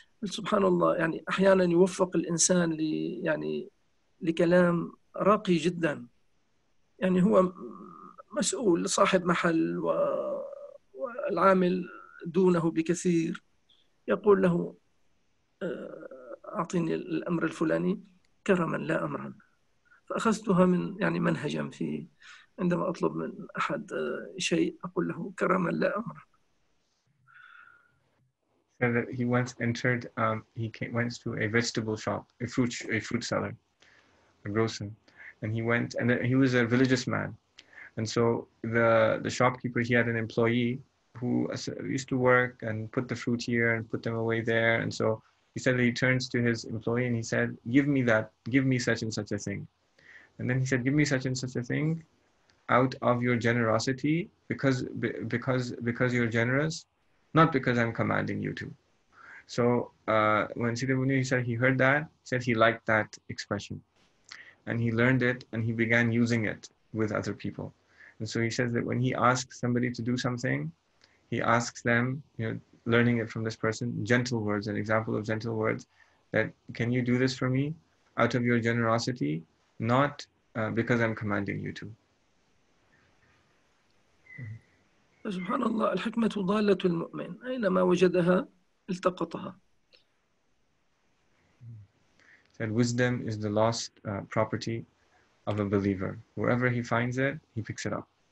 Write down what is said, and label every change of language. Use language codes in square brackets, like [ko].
[ar] سبحان الله، يعني أحيانا يوفق الإنسان يعني لكلام راقي جدا، يعني هو مسؤول صاحب محل والعامل دونه بكثير، يقول له أعطيني الأمر الفلاني كرما لا أمرا، فأخذتها من يعني منهجا في عندما أطلب من أحد شيء أقول له كرما لا أمرا. [en] So he once entered, he came, went to a vegetable shop, a fruit seller, a grocer, and he went, and he was a religious man. And so the shopkeeper, he had an employee who used to work and put the fruit here and put them away there. And so he said that he turns to his employee and he said, give me such and such a thing. And then he said, give me such and such a thing out of your generosity, because you're generous, not because I'm commanding you to. So when Sidi Abu Munir, he said he heard that, said he liked that expression. And he learned it and he began using it with other people. And so he says that when he asks somebody to do something, he asks them, you know, learning it from this person, gentle words, an example of gentle words, that can you do this for me out of your generosity, not because I'm commanding you to. [ar] سبحان الله الحكمة ضالة المؤمن أينما وجدها التقطها. [en] That wisdom is the lost property of a believer. Wherever he finds it, he picks it up.